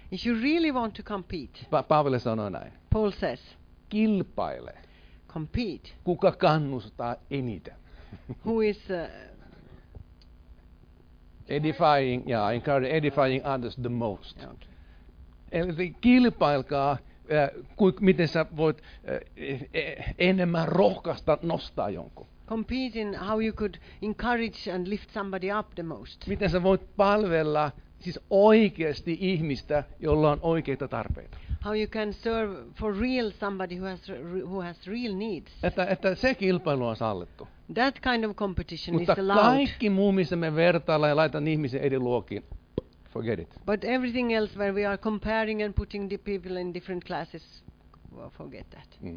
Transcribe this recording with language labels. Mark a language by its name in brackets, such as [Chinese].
[English] If you really want to compete. [Finnish] Paavali sanoo näin. [English] Paul says. [Finnish] Kilpaile. [English] Compete. [Finnish] Kuka kannustaa eniten? [English] Who is edifying, yeah, encouraging, edifying others the most. [Finnish] Okay. Eli kilpailkaa. Miten sä voit enemmän rohkaista nostaa jonkun? [English] Compete in how you could encourage and lift somebody up the most. [Finnish] Miten sä voit palvella siis oikeasti ihmistä, jolla on oikeita tarpeita? [English] How you can serve for real somebody who has real needs. [Finnish] Että se kilpailu on sallittu. [English] That kind of competition [Finnish] mutta [English] is allowed. [Finnish] Mutta kaikki muu, missä me vertaillaan ja laitan ihmisen eri luokin. [English] Forget it. But everything else where we are comparing and putting the people in different classes, well, forget that.